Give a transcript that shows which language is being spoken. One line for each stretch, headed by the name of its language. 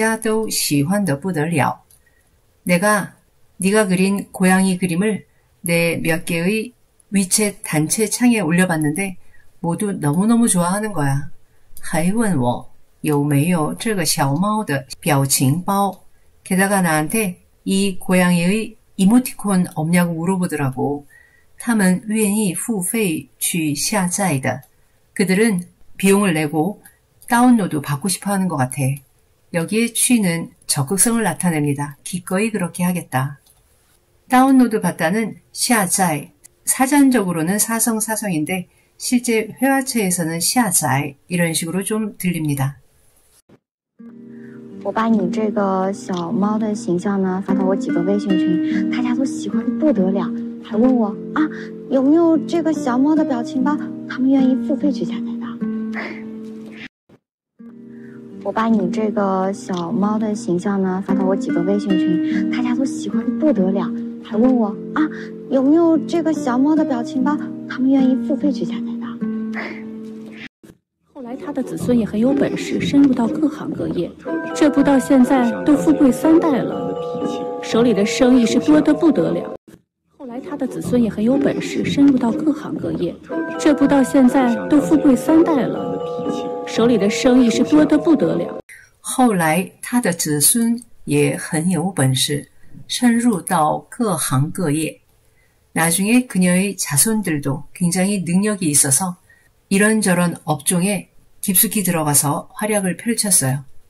Chinese: 我把你这个小猫的形象呢发到我几个微信群，大家都喜欢的不得了，还问我啊，有没有这个小猫的表情包，他们愿意付费去下载的。我把你这个小猫的形象呢发到我几个微信群，大家都喜欢的不得了。
Korean: 내가 네가 그린 고양이 그림을 내몇 개의 위챗 단체 창에 올려봤는데 모두 너무너무 좋아하는 거야.
Chinese: 还问我有没有这个小猫的表情包.
Korean: 게다가 나한테 이 고양이의 이모티콘 없냐고 물어보더라고.
Chinese: 他们愿意付费去下载的.
Korean: 그들은 비용을 내고 다운로드 받고 싶어 하는 것 같아. 여기에 취는 적극성을 나타냅니다. 기꺼이 그렇게 하겠다. 다운로드 받다는 下载, 사전적으로는 사성사성인데 실제 회화체에서는 下载 이런 식으로 좀 들립니다.
Chinese: 我把你这个小猫的形象呢发到我几个微信群，大家都喜欢不得了，还问我啊有没有这个小猫的表情包，他们愿意付费去下载的。我把你这个小猫的形象呢发到我几个微信群，大家都喜欢不得了，还问我啊有没有这个小猫的表情包，他们愿意付费去下载。他的子孙也很有本事，深入到各行各业，这不到现在都富贵三代了，手里的生意是多得不得了。后来他的子孙也很有本事，深入到各行各业，这不到现在都富贵三代了，手里的生意是多得不得了。后来他的子孙也很有本事，深入到各行各业。
Korean: 나중에 그녀의 자손들도 굉장히 능력이 있어서 이런저런 업종에 깊숙이 들어가서 활약을 펼쳤어요.